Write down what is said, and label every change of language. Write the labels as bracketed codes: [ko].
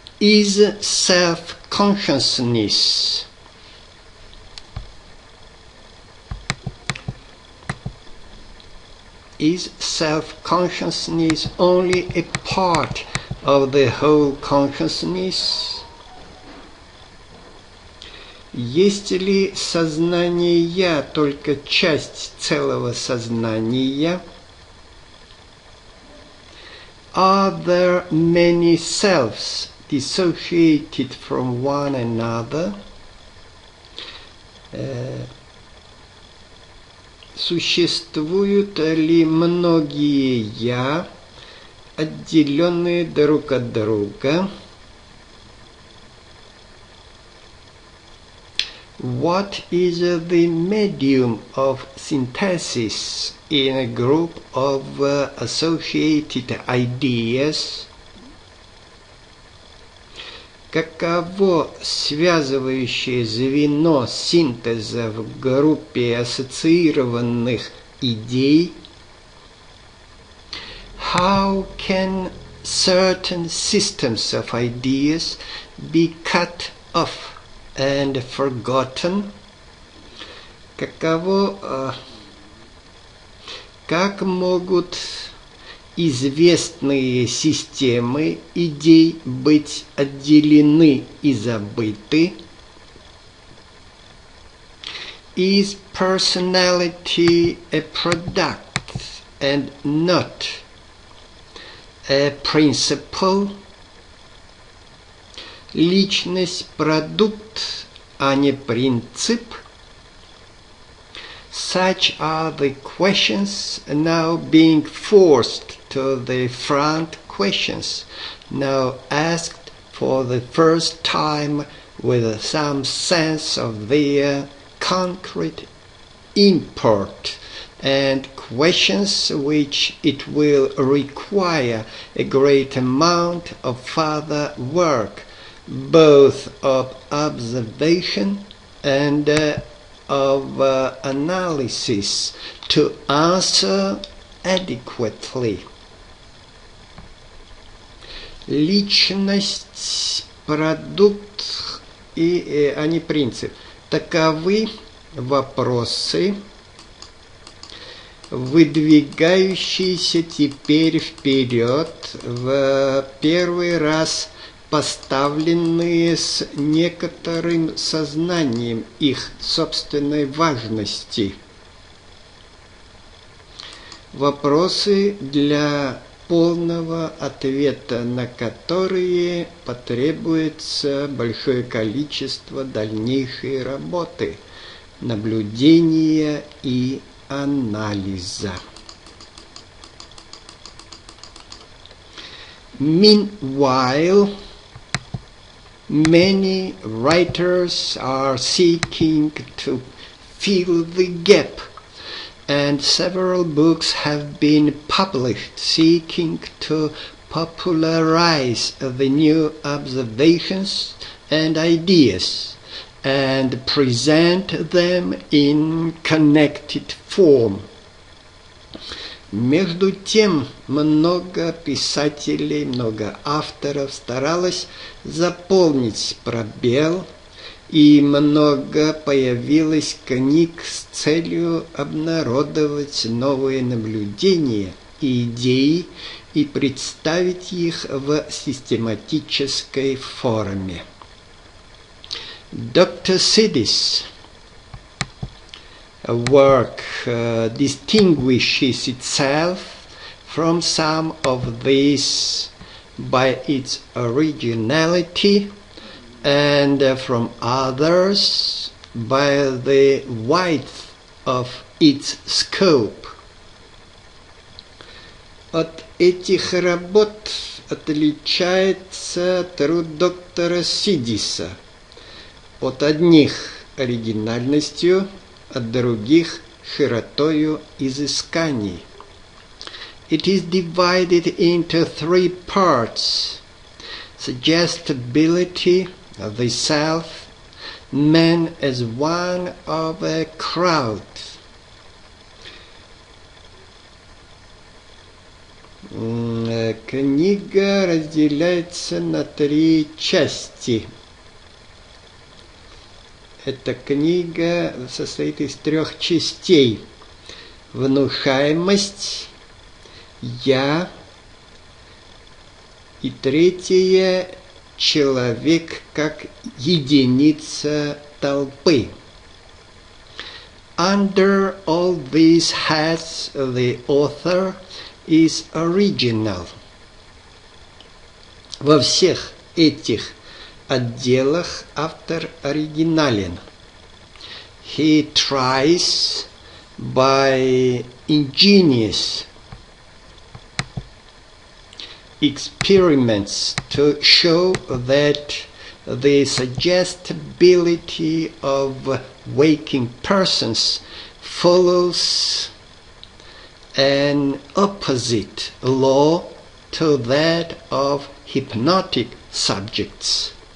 [en] Is self-consciousness only a part of the whole consciousness? [ru] Есть ли сознание «я» только часть целого сознания? [en] Are there many selves dissociated from one another? [ru] Существуют ли многие «я», отделенные друг от друга? [en] What is the medium of synthesis in a group of associated ideas? [ru] Каково связывающее звено синтеза в группе ассоциированных идей? [en] How can certain systems of ideas be cut off and forgotten? [ru] Каково, как могут известные системы идей быть отделены и забыты? [en] Is personality a product and not a principle? [ru] Личность – продукт, а не принцип? [en] Such are the questions now being forced to the front, questions now asked for the first time with some sense of their concrete import, and questions which it will require a great amount of further work, both of observation and of analysis, to answer adequately. [ru] Личность, продукт, а не принцип. Таковы вопросы, выдвигающиеся теперь вперед в первый раз, поставленные с некоторым сознанием их собственной важности. Вопросы, для полного ответа на которые потребуется большое количество дальнейшей работы, наблюдения и анализа. [en] Meanwhile, many writers are seeking to fill the gap, and several books have been published seeking to popularize the new observations and ideas and present them in connected form. [ru] Между тем, много писателей, много авторов старалось заполнить пробел, и много появилось книг с целью обнародовать новые наблюдения и идеи и представить их в систематической форме. [en] Доктор Сидис work distinguishes itself from some of these by its originality and from others by the width of its scope. [ru] От этих работ отличается труд доктора Сидиса. От одних оригинальностью, от других широтою изысканий. [en] It is divided into three parts: suggestibility of the self, man as one of a crowd. [ru] Книга разделяется на три части. Эта книга состоит из трех частей: внушаемость, я и третье — человек как единица толпы. [en] Under all these hats, the author is original. [ru] Во всех этих отделах автор оригинален. [en] He tries by ingenious experiments to show that the suggestibility of waking persons follows an opposite law to that of hypnotic subjects.